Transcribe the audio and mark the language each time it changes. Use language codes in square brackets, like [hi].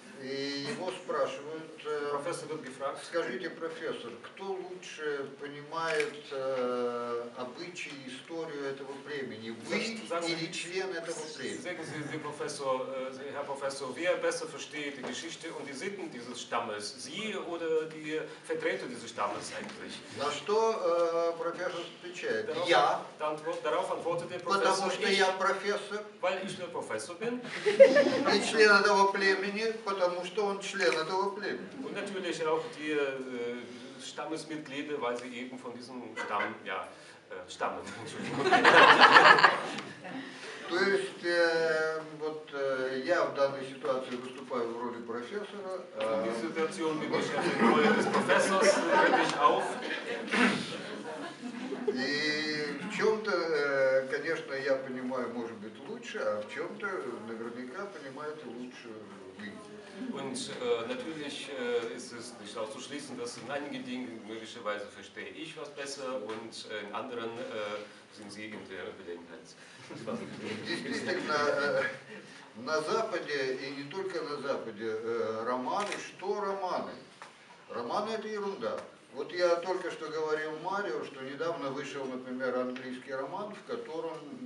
[ru] И его спрашивают, скажите, профессор, кто лучше понимает обычаи и историю этого племени, вы или член этого племени? [de] Профессор, Herr Professor, wer besser versteht die Geschichte und die Sitten dieses Stammes, Sie oder die Vertreter dieses Stammes eigentlich? [ru] На что профессор отвечает? Я. [de] Darauf antwortet der Professor. [ru] Потому что я профессор. [de] Weil ich der Professor bin. [ru] И член этого племени, потому что он член этого племени. [de] Und natürlich auch die Stammesmitglieder, weil sie eben von diesem Stamm, ja, stammen. [ru] То есть, вот я в данной ситуации выступаю в роли профессора. [de] In dieser Situation bin ich in der Rolle des Professors, rede ich auf. [ru] И в чем-то, конечно, я понимаю, может быть, лучше, а в чем-то, наверняка, понимаете лучше вы. [de] Und natürlich ist es nicht auszuschließen, dass in einigen Dingen möglicherweise verstehe ich was besser und in anderen sind Sie in der Überlegenheit. [ru] Действительно, на Западе и не только на Западе романы, что романы? Романы это ерунда. Вот я только что говорил Марио, что недавно вышел, например, английский роман, в котором